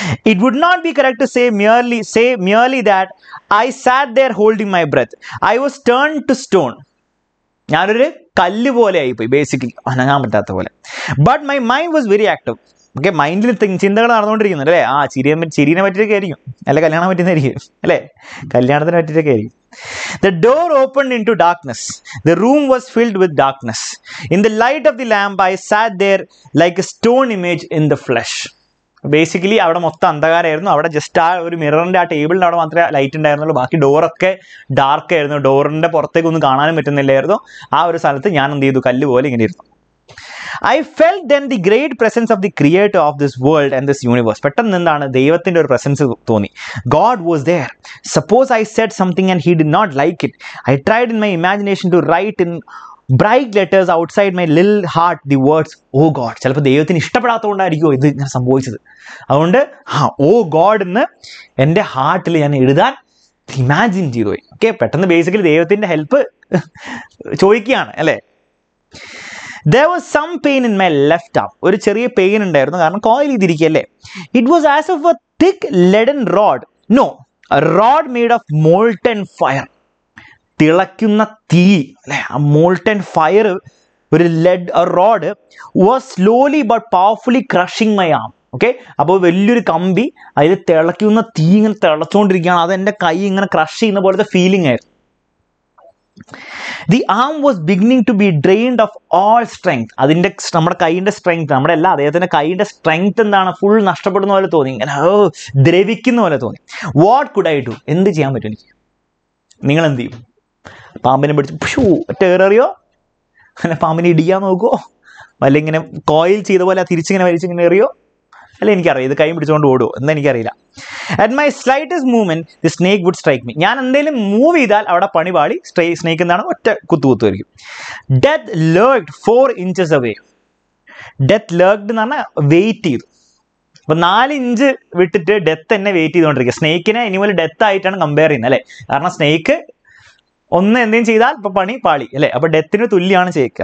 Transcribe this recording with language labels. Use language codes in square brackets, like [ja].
[en] It would not be correct to say merely that I sat there holding my breath. I was turned to stone. [ml] ഞാനൊരു കല്ല് പോലെ ആയിപ്പോയി basically, അനങ്ങാൻ പറ്റാത്ത പോലെ. [en] But my mind was very active. [ml] Okay, മൈൻഡിൽ ചിന്തകൾ നടന്നുകൊണ്ടിരിക്കുന്നുണ്ട് അല്ലേ, ആ ചിരിയെ ചിരിനെ പറ്റിയൊക്കെ ആയിരിക്കും അല്ലെ, കല്യാണം പറ്റുന്നതായിരിക്കും അല്ലേ, കല്യാണത്തിന് പറ്റിയിട്ടൊക്കെ ആയിരിക്കും. [en] The door open into darkness, the room was filled with darkness. In the light of the lamp I sat there like a stone image in the flush. [ml] Basically അവിടെ മൊത്തം അന്ധകാരമായിരുന്നു, അവിടെ ജസ്റ്റ് ആ ഒരു മിററിൻ്റെ ആ ടേബിളിൻ്റെ അവിടെ മാത്രമേ ലൈറ്റ് ഉണ്ടായിരുന്നുള്ളൂ, ബാക്കി ഡോറൊക്കെ ഡാർക്ക് ആയിരുന്നു, ഡോറിൻ്റെ പുറത്തേക്ക് ഒന്നും കാണാനും പറ്റുന്നില്ലായിരുന്നു. ആ ഒരു സ്ഥലത്ത് ഞാൻ എന്ത് ചെയ്തു, കല്ല് പോലെ ഇങ്ങനെ ഇരുന്നു. [en] I felt then the great presence of the creator of this world and this universe. [ml] പെട്ടെന്ന് എന്താണ് ദൈവത്തിന്റെ ഒരു പ്രസൻസ് തോന്നി. [en] God was there. Suppose I said something and he did not like it. I tried in my imagination to write in bright letters outside my little heart the words oh God. [ml] ചിലപ്പോൾ ദൈവത്തിന് ഇഷ്ടപ്പെടാത്തതുകൊണ്ടായിരിക്കും ഇത് ഇങ്ങനെ സംഭവിച്ചത്. അതുകൊണ്ട് ഓ God എന്ന് എൻ്റെ ഹാർട്ടിൽ ഞാൻ എഴുതാൻ ഇമാജിൻ ചെയ്തു. ഓക്കെ, പെട്ടെന്ന് ബേസിക്കലി ദൈവത്തിന്റെ ഹെൽപ്പ് ചോദിക്കുകയാണ് അല്ലേ. [en] There was some pain in my left arm. [ml] ഒരു ചെറിയ പെയിൻ ഉണ്ടായിരുന്നു, കാരണം coil ചെയ്തിരിക്കുകയല്ലേ. [en] It was as of a thick leaden rod, no, rod made of molten fire. [ml] തിളയ്ക്കുന്ന തീ അല്ലേ, ആ മോൾട്ടൻ ഫയർ, ഒരു lead road [en] Was slowly but powerfully crushing my arm. [ml] Okay, അപ്പോൾ വലിയൊരു കമ്പി, അതിൽ തിളയ്ക്കുന്ന തീ ഇങ്ങനെ തിളച്ചുകൊണ്ടിരിക്കുകയാണ്, അത് എൻ്റെ കൈ ഇങ്ങനെ ക്രഷ് ചെയ്യുന്ന പോലത്തെ ഫീലിംഗ് ആയിരുന്നു. [en] The arm was beginning to be drained of all strength. [ml] അതിൻ്റെ നമ്മുടെ കൈയിൻ്റെ സ്ട്രെങ്ത്, നമ്മുടെ എല്ലാ അദ്ദേഹത്തിൻ്റെ കൈയിൻ്റെ സ്ട്രെങ്ത് എന്താണ്, ഫുൾ നഷ്ടപ്പെടുന്ന പോലെ തോന്നി, ഇങ്ങനെ ദ്രവിക്കുന്ന പോലെ തോന്നി. [en] what could I do, [ml] എന്ത് ചെയ്യാൻ പറ്റും എനിക്ക്, നിങ്ങൾ എന്ത് ചെയ്യും, പാമ്പിനെ പിടിച്ച് പുഷൂ ഒറ്റേറിയോ, അല്ലെ പാമ്പിനെ ഇടിയാൻ നോക്കുമോ, അല്ലെങ്കിൽ ഇങ്ങനെ കോയിൽ ചെയ്ത പോലെ തിരിച്ചിങ്ങനെ വലിച്ചിങ്ങനെ എറിയോ, അല്ലെ എനിക്കറിയാം ഇത് കൈ പിടിച്ചുകൊണ്ട് ഓടുമോ എന്താ എനിക്കറിയില്ല. [en] At my slightest movement, the snake would strike me. [ml] ഞാൻ എന്തെങ്കിലും മൂവ് ചെയ്താൽ അവിടെ പണിപാളി സ്നേക്ക് എന്താണ് ഒറ്റ കുത്തുകുത്തു വരിക്കും. [en] Death lurked 4 inches away. Death lurked [ml] എന്ന് പറഞ്ഞാൽ [en] Wait ചെയ്തു. [ml] അപ്പം 4 inches വിട്ടിട്ട് ഡെത്ത് എന്നെ വെയിറ്റ് ചെയ്തുകൊണ്ടിരിക്കുക. സ്നേക്കിനെ ഇനി പോലെ ഡെത്ത് ആയിട്ടാണ് കമ്പയർ ചെയ്യുന്നത് അല്ലേ, കാരണം സ്നേക്ക് ഒന്ന് എന്തെങ്കിലും ചെയ്താൽ ഇപ്പം പണി പാളി അല്ലേ, അപ്പം ഡെത്തിന് തുല്യമാണ് സ്നേക്ക്.